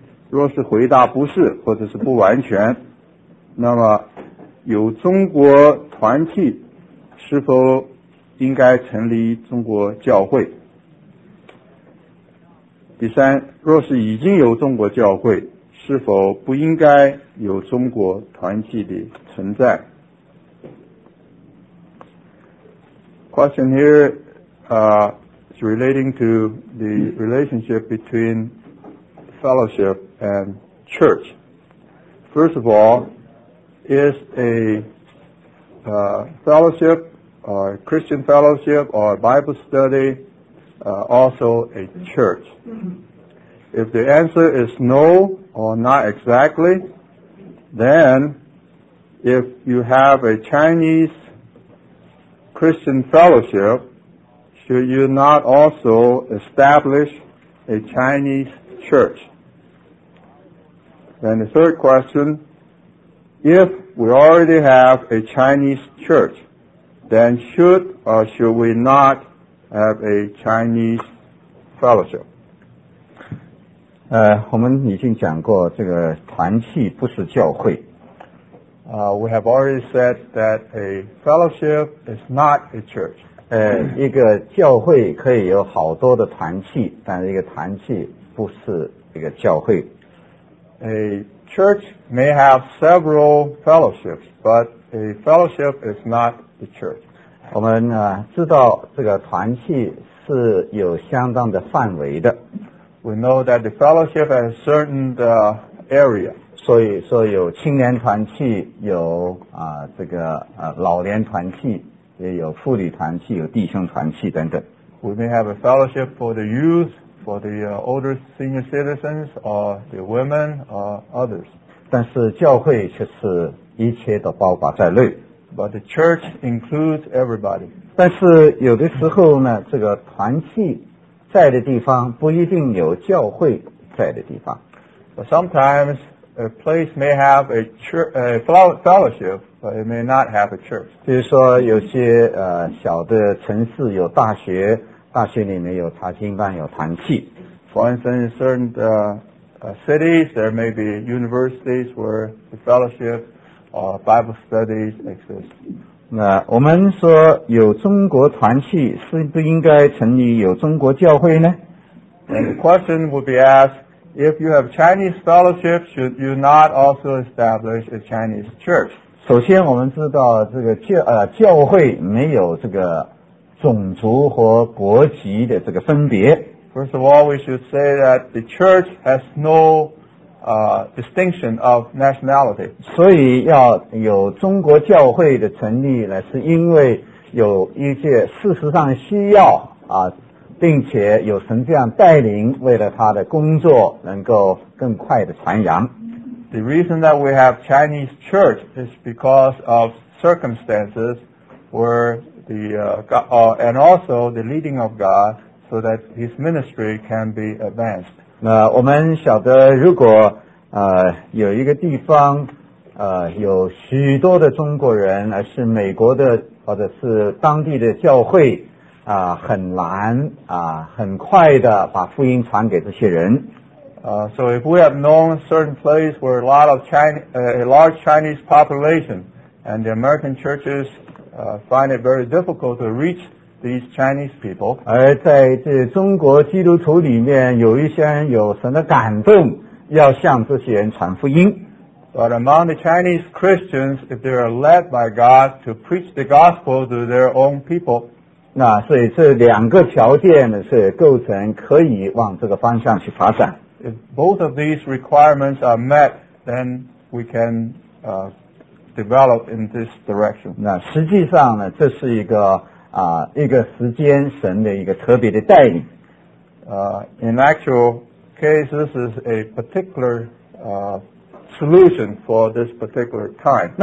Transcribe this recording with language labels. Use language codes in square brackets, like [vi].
[zh] 若是回答不是或者是不完全，那么有中国团契是否应该成立中国教会。第三，若是已经有中国教会，是否不应该有中国团契的存在？ [en] Question here is relating to the relationship between fellowship and church. First of all, is a fellowship or a Christian fellowship or a Bible study also a church? If the answer is no or not exactly, then if you have a Chinese Christian fellowship, should you not also establish a Chinese church? Then the third question, if we already have a Chinese church, then should or should we not have a Chinese fellowship? [zh] 我们已经讲过这个团契不是教会。 [en] We have already said that a fellowship is not a church. [zh] 一个教会可以有好多的团契，但是一个团契不是一个教会。 [en] A church may have several fellowships, but a fellowship is not the church. [zh] 我们知道这个团契是有相当的范围的。 [en] We know that the fellowship has a certain area. [zh] 所以说有青年团契，有这个老年团契，也有妇女团契，有弟兄团契等等。 [en] We may have a fellowship for the youth, for the older senior citizens, or the women, or others. [zh] 但是教会却是一切都包括在内。 [en] But the church includes everybody. [zh] 但是有的时候呢，这个团契在的地方不一定有教会在的地方。 [en] But sometimes a place may have a fellowship, but it may not have a church. [zh] 比如说有些小的城市有大学，大学里面有查经班，有团契。 [en] For instance, in certain cities, there may be universities where the fellowship or Bible studies exist. [zh] 那我们说有中国团契是不应该成立有中国教会呢？ [en] And the question would be asked, if you have Chinese fellowship, should you not also establish a Chinese church? [zh] 首先我们知道这个 教会没有这个种族或国籍的这个分别。 [en] First of all, we should say that the church has no distinction of nationality. [zh] 所以要有中国教会的成立呢，是因为有一些事实上需要并且有神这样带领，为了他的工作能够更快的传扬。 [en] The reason that we have Chinese church is because of circumstances where the and also the leading of God so that His ministry can be advanced. [zh] 那我们晓得如果有一个地方有许多的中国人，而是美国的或者是当地的教会很难很快的把福音传给这些人。 [en] So if we have known a certain place where a lot of a large Chinese population and the American churches find it very difficult to reachthese Chinese people. [zh] 而在这中国基督徒里面有一些人有神的感动要向这些人传福音。 [en] But among the Chinese Christians, if they are led by God to preach the gospel to their own people, [zh] 那所以这两个条件呢是构成可以往这个方向去发展。 [en] If both of these requirements are met, then we can develop in this direction. [zh] 那实际上呢这是一个时间神的一个特别的带领。 [en] In actual case, this is a particular solution for this particular time.